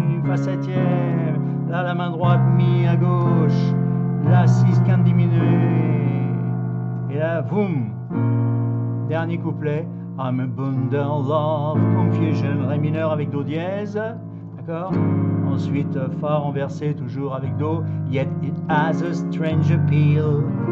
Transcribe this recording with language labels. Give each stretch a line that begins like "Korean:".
French: Fa septième, là la main droite, mi à gauche, la six quinte diminuée. Et là, boum, dernier couplet.
English: I'm a bundle of confusion.
French: Ré mineur avec Do dièse. D'accord? Ensuite, Fa renversé, toujours avec Do.
English: Yet it has a strange appeal.